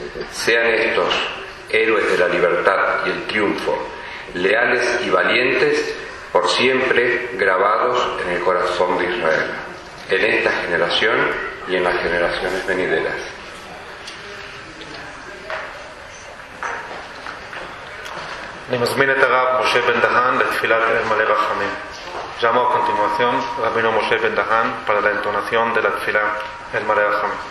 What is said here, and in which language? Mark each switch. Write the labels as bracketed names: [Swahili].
[Spanish] Sean estos héroes de la libertad y el triunfo, leales y valientes, por siempre grabados en el corazón de Israel. En esta generación y en las generaciones venideras. [Hebrew] אני מזמין את הרב משה בן דהן לתפילת מלא רחמים. [Spanish] Llamo a continuación Rabino Moshe Ben Dahan para la entonación de la tefila el mal rachamim.